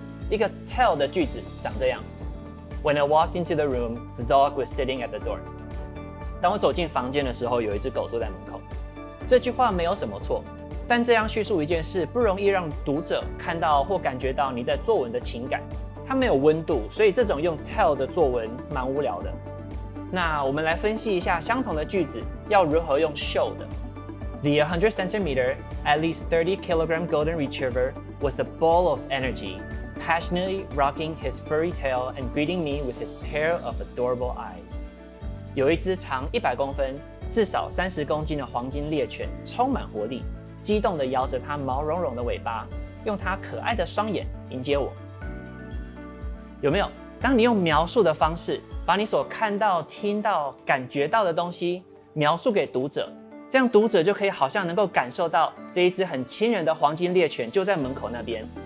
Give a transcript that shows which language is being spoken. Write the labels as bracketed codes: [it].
[en] 一个 tell 的句子长这样， When I walked into the room, the dog was sitting at the door。 [zh] 当我走进房间的时候，有一只狗坐在门口。这句话没有什么错，但这样叙述一件事不容易让读者看到或感觉到你在作文的情感，它没有温度，所以这种用 tell 的作文蛮无聊的。那我们来分析一下相同的句子要如何用 show 的。 [en] The 100 centimeter at least 30 kilogram golden retriever was a ball of energy, passionately rocking his furry tail and greeting me with his pair of adorable eyes。 [zh] 有一只长100公分至少30公斤的黄金猎犬充满活力，激动地摇着它毛茸茸的尾巴，用它可爱的双眼迎接我。有没有，当你用描述的方式把你所看到、听到、感觉到的东西描述给读者，这样读者就可以好像能够感受到这一只很亲人的黄金猎犬就在门口那边。